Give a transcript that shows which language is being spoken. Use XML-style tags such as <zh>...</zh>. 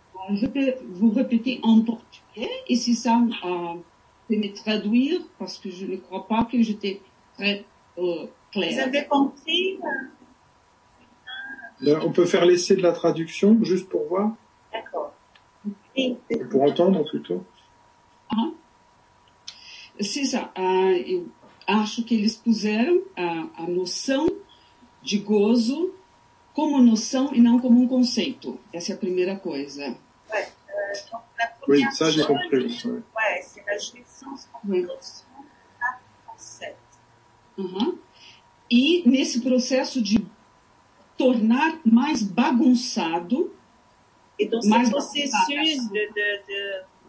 <fr>Je peux vous répéter en portugais, et si ça peut me traduire, parce que je ne crois pas que j'étais très claire. Vous avez compris? Alors, on peut faire l'essai de la traduction, juste pour voir. D'accord. Et pour entendre, plutôt. Ah, c'est ça.</fr> <pt>Eu acho que eles puseram a noção de gozo como noção e não como conceito. Essa é a primeira coisa.</pt> <fr>Oui, ça j'ai compris. Ouais, c'est la jouissance en fonction de la concept. Et</fr> <pt>nesse processo de tornar mais bagunçado.</pt> <fr>Et dans ce processus de</fr>